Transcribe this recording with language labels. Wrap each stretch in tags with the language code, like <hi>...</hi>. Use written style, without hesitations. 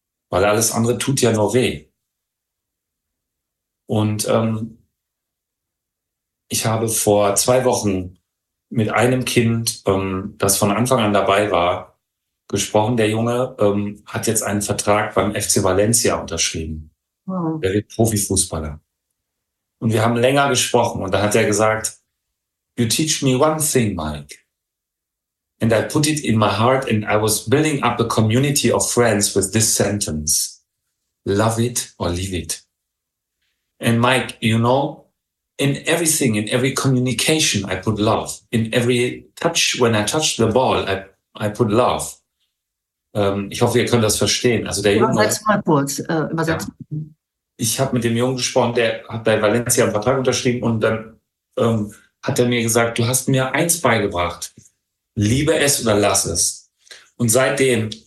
<de>Weil alles andere tut ja nur weh. Und ich habe vor 2 Wochen mit einem Kind, das von Anfang an dabei war, gesprochen. Der Junge hat jetzt einen Vertrag beim FC Valencia unterschrieben. Wow. Der wird Profifußballer. Und wir haben länger gesprochen und da hat er gesagt,</de> <en>you teach me one thing, Mike. And I put it in my heart and I was building up a community of friends with this sentence. Love it or leave it. And Mike, you know, in everything, in every communication, I put love. In every touch, when I touch the ball, I put love.</en> <de>Ich hoffe, ihr könnt das verstehen. Also der Junge. Übersetzt mal kurz. Übersetzt. Ich habe mit dem Jungen gesprochen, der hat bei Valencia einen Vertrag unterschrieben und dann hat er mir gesagt, du hast mir eins beigebracht. Liebe es oder lass es. Und seitdem</de>